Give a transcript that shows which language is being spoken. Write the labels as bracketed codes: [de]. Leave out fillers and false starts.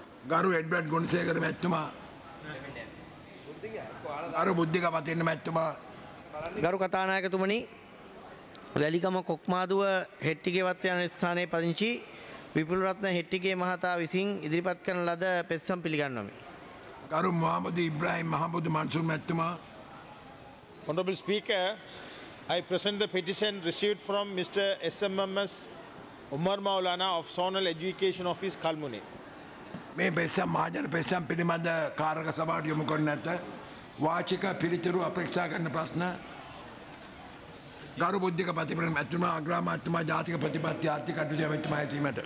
[si] ගරු එඩ්වඩ් ගුණසේකර මැතිතුමා. ගරු බුද්ධික පතින්න මැතිතුමා. ගරු කතානායකතුමනි, වැලිගම කොක්මාදුව හෙට්ටිගේවත්ත යන ස්ථානයේ පදිංචි විපුලරත්න හෙට්ටිගේ මහතා විසින් ඉදිරිපත් කරන ලද පෙස්සම් පිළිගන්නමි. ගරු මුහම්මද් ඉබ්‍රාහිම් මහමුදු මන්සුර් මැතිතුමා. [en] Honorable Speaker, I present the petition received from Mr. SMMS Umar Maulana of Zonal Education Office Kalmune. [si] මේ පෙස්සම් මහජන පෙස්සම් පිළිබඳ කාරක සභාවට යොමු කරන ඇත. වාචික පිළිතුරු අපේක්ෂා කරන ප්‍රශ්න. ගරු බුද්ධික ප්‍රතිපත්ති මැතිතුමා, අග්‍රාමාත්‍යතුමා, ජාතික ප්‍රතිපත්ති ආර්ථික අඩුලිය මැතිතුමා ඇසීමට